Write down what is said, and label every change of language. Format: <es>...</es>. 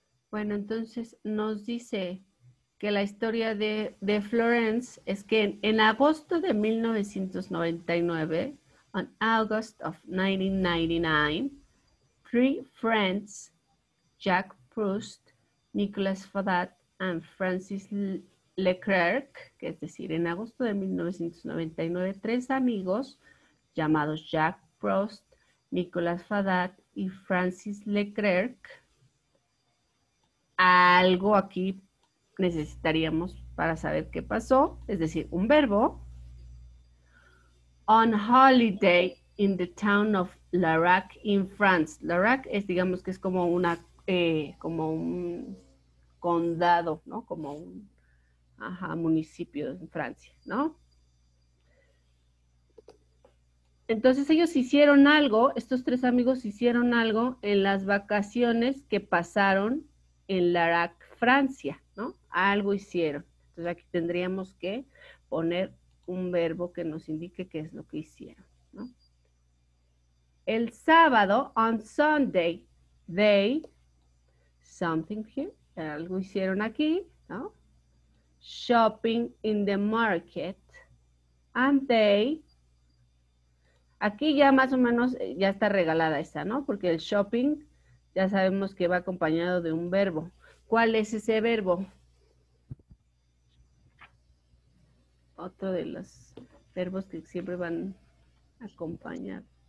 <es>Bueno, entonces nos dice que la historia de Florence es que en agosto de 1999,</es> <en>on August of 1999, three friends, Jack Proust, Nicolas Fadat, and Francis Leclerc,</en> <es>que es decir, en agosto de 1999, tres amigos llamados Jack Proust, Nicolas Fadat y Francis Leclerc. Algo aquí necesitaríamos para saber qué pasó, es decir, un verbo.</es> <en>On holiday in the town of Larac in France.</en> <es>Larac es, digamos, que es como una, como un condado, ¿no? Como un municipio en Francia, ¿no? Entonces ellos hicieron algo, estos tres amigos hicieron algo en las vacaciones que pasaron en Larac, Francia, ¿no? Algo hicieron. Entonces aquí tendríamos que poner un verbo que nos indique qué es lo que hicieron, ¿no? El sábado,</es> <en>on Sunday, they, something here,</en> <es>algo hicieron aquí, ¿no?</es> <en>Shopping in the market, and they.</en> <es>Aquí ya más o menos ya está regalada esa, ¿no? Porque el shopping ya sabemos que va acompañado de un verbo. ¿Cuál es ese verbo? Otro de los verbos que siempre van acompañados.</es>